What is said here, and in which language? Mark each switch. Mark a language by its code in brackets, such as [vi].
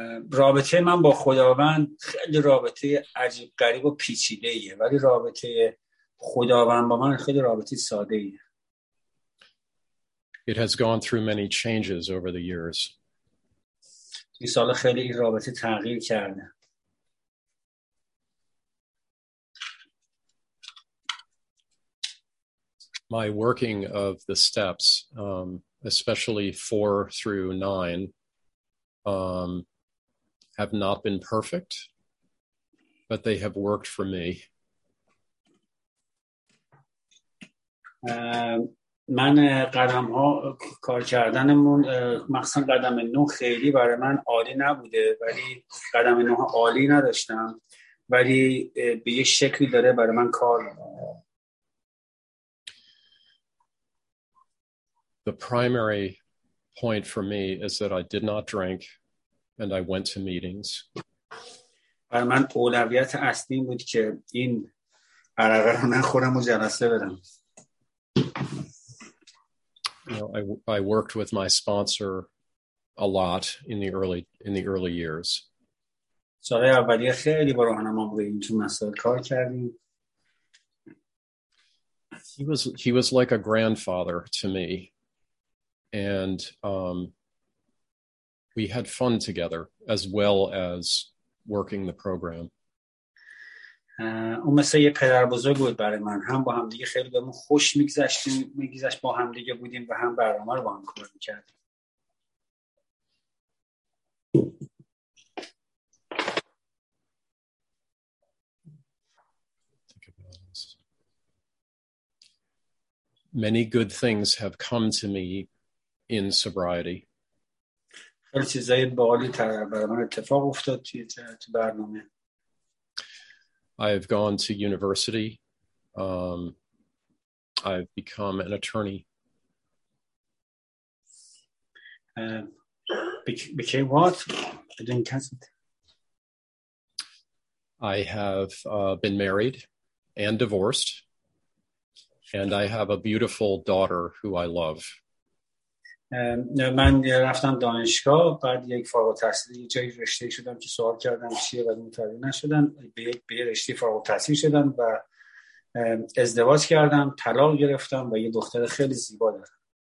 [fa] رابطه من با خداوند خیلی رابطه عجیب غریب و پیچیده‌ایه، ولی رابطه خداوند با من خیلی رابطه ساده‌ایه. [en] It has gone through many changes over the years. [fa] این سال خیلی این رابطه تغییر کرده. [en] My working of the steps, especially 4 through 9, have not been perfect, but they have worked for me. [fa] من قدم ها کار کردنمون مخصوصا قدم 9 خیلی برای من عالی نبوده، ولی قدم 9 عالی نداشتم، ولی به یه شکلی داره برای من کار. [en] The primary point for me is that I did not drink and I went to meetings. [fa] برای من اولویت اصلی بود که این عرقه رو نخورم و جلسه برم. [en] You know, I worked with my sponsor a lot in the early years. [fa] سال اولی خیلی با راهنمام روی این تو مسائل کار کردیم. [en] He was like a grandfather to me, and we had fun together as well as working the program. [fa] اون مثل یه پدر بزرگ بود برای من، هم با هم دیگه خیلی بهمون خوش میگذشتیم، میگذشت با هم دیگه بودیم و هم برنامه رو با هم کار میکردیم. [en] Many good things have come to me in sobriety. خیلی چیزای باحالی تر برای من اتفاق افتاد تو برنامه. I have gone to university. I've become an attorney. Became what? I didn't catch it. I have been married and divorced, and I have a beautiful daughter who I love. [fa] من رفتم دانشگاه، بعد یک فارغ التحصیل یه جایی رشته شدم که سوال کردم چیه و متوجه نشدن، به یه رشته فارغ التحصیل شدم و ازدواج کردم، طلاق گرفتم و یه دختر خیلی زیبا دارم.